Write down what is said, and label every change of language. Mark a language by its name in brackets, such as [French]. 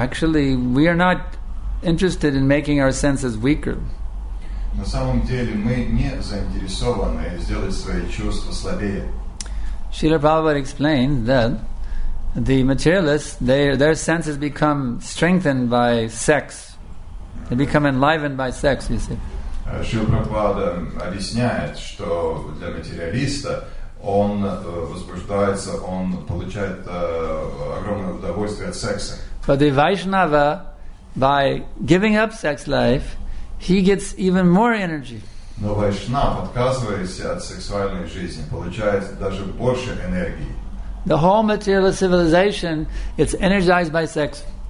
[English] Actually, we are not interested in making our senses weaker. [Russian] На самом деле мы не заинтересованы сделать свои чувства слабее. [English] Srila Prabhupada explained that the materialists, their senses become strengthened by sex. They become enlivened by sex, you see. [Russian] Srila Prabhupada объясняет, что для материалиста он возбуждается, он получает огромное удовольствие от секса. [English] For the Vaishnava, by giving up sex life, he gets even more energy. [Russian] Но Вайшнав, отказываясь от сексуальной жизни, получает даже больше энергии. [English] The whole material civilization, it's energized by sex.